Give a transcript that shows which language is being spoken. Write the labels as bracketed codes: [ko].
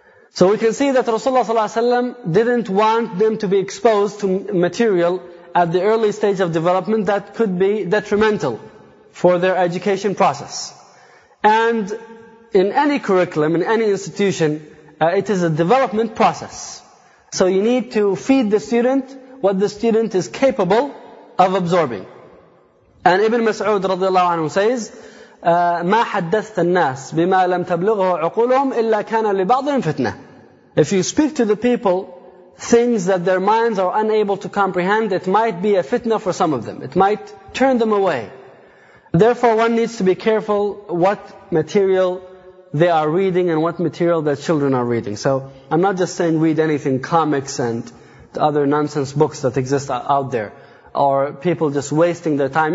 [en] So we can see that Rasulullah ﷺ didn't want them to be exposed to material at the early stage of development that could be detrimental for their education process. And in any curriculum, in any institution, it is a development process. So you need to feed the student what the student is capable of absorbing. And Ibn Mas'ud radiallahu anhu says, [ar] مَا حَدَّثْتَ النَّاسِ بِمَا لَمْ تَبْلُغَهُ عُقُولُهُمْ إِلَّا كَانَ لِبَعْضٍ فِتْنَةٍ. [en] If you speak to the people things that their minds are unable to comprehend, it might be a fitna for some of them. It might turn them away. Therefore, one needs to be careful what material they are reading and what material their children are reading. So, I'm not just saying read anything, comics and other nonsense books that exist out there, or people just wasting their time.